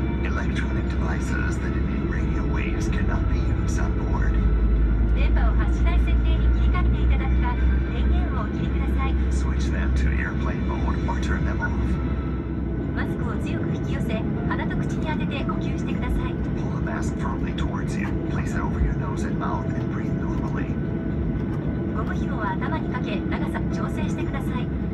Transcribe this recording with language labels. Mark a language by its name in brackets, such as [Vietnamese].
[English] Electronic devices that emit radio waves cannot be used on board. [Japanese] 電波を発しない設定に切り替えていただくか、電源をお切りください。 [English] Switch them to airplane mode or turn them off. [Japanese] マスクを強く引き寄せ、鼻と口に当てて呼吸してください。 [English] Pull the mask firmly towards you. Place it over your nose and mouth and breathe normally. [Japanese] ゴム紐は頭にかけ、長さ調整してください。